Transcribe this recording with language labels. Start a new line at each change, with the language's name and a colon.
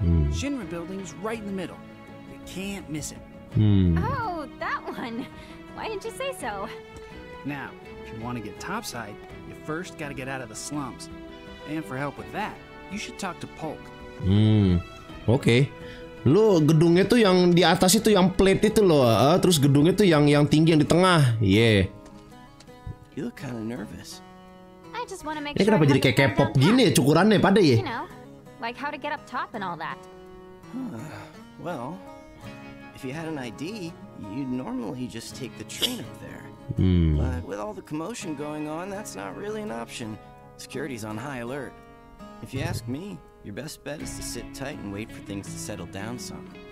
English: Shinra Building's right in the middle. You can't miss it. Oh, that one. Why didn't you say so? Now, if you want to get topside, you first got to get out of the slums. And for help with that, you should talk to Polk. Okay.
Indonesian: Lo, gedungnya tuh yang di atas itu yang plate itu loh. Terus gedungnya tuh yang tinggi yang di tengah.
English: Yeah. You look kind of nervous. I just want to make sure.
Indonesian: Kenapa jadi kayak K-pop gini ya cukurannya pada ya?
English: You know, like how to get up top and all that. Well, if you had an ID, you'd normally just take the train up there. But with all the commotion going on, that's not really an option. Security's on high alert. If you ask me, your best bet is to sit tight and wait for things to settle down some.